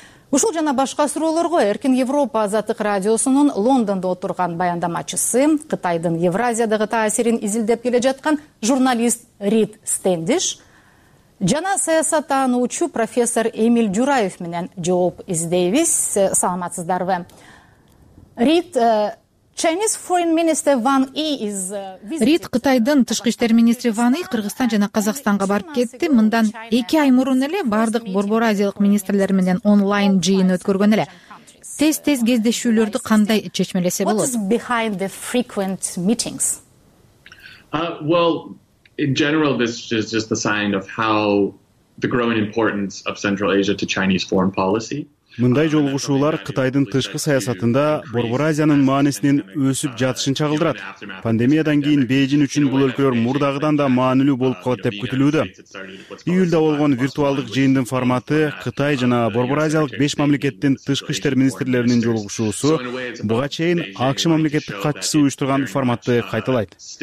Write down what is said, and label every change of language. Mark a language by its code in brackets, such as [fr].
[ky] Ушул жана башка суроолорго Эркин Европа Азаттык радиосунун Лондондо отурган баяндамачысы, Кытайдын Евразиядагы таасирин изилдеп келе жаткан журналист Рид Стендиш жана саясаттануучу профессор Эмиль Жураев менен жооп издейбиз. Саламатсыздарбы. [en] Рид, Chinese Foreign Minister Wang Yi is visiting. [ky] Рид, Кытайдын тышкы иштер министри Ван И Кыргызстан жана Казакстанга барып кетти. Мындан 2 ай мурун эле бардык Борбор Азиялык министрлер менен онлайн жыйын өткөргөн эле. Тез-тез кездешүүлөрдү кандай чечмелесе болот? [en] What is behind the frequent meetings? In general, this is just a sign of how the growing importance of Central Asia to Chinese foreign policy. [ky] Мындай жолугушуулар Кытайдын тышкы саясатында Борбор Азиянын маанисинин өсүп жатышын чагылдырат. Пандемиядан кийин Бээжин үчүн бул өлкөлөр мурдагыдан да маанилүү болуп калат деп күтүлүүдө. Июлда болгон виртуалдык жыйындын форматы Кытай жана Борбор Азиялык 5 мамлекеттин тышкы иштер министрлеринин жолугушуусу буга чейин АКШ мамлекеттик катчысы уюштурган форматты кайталайт.